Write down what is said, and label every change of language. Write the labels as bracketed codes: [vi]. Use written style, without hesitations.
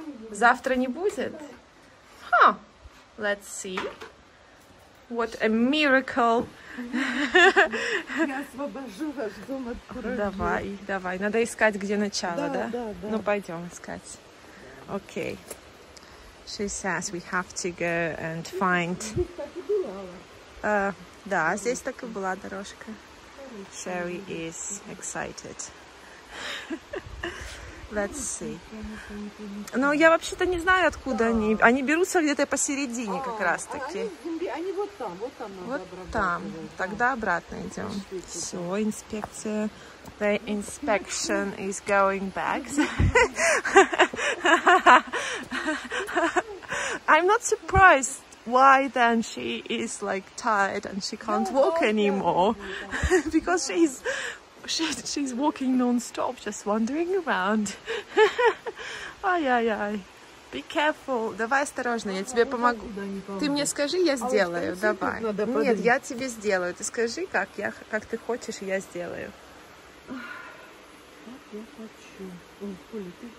[ru] Завтра не будет? [en] Huh. Let's see. What a miracle. [ru] Я освобожу ваш дом от курорта. Давай, давай. Надо искать, где начало, да? Ну, пойдем искать. [en] Okay. She says we have to go and find... [ru] да, здесь так и была дорожка. [en] Sherry is excited. Let's see. [ru] Ну, я вообще-то не знаю, откуда они. Они берутся где-то посередине как раз-таки. Они вот там, вот там. Вот там. Тогда обратно идем. Все, инспекция. [en] The inspection is going back. I'm not surprised why then she is like tired and she can't walk anymore. Because she's walking non-stop, just wandering around. Ай-яй-яй. Be careful. [ru] Давай осторожно, я тебе помогу. Ты мне скажи, я сделаю. Давай. Нет, я тебе сделаю. Ты скажи, как ты хочешь, я сделаю. Как я хочу.